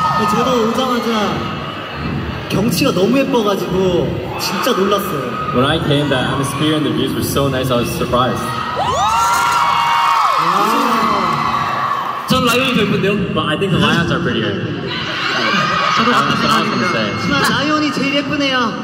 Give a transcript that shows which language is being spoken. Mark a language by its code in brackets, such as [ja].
[ko] 저도 오자마자 경치가 너무 예뻐가지고 진짜 놀랐어요. [en] When I came, the atmosphere and the views were so nice. I was surprised. [ko] 전 라이온이 더 예쁜데요? [en] But I think the lions are prettier. [ko] 저도 라이온입니다. 라이온이 제일 예쁘네요.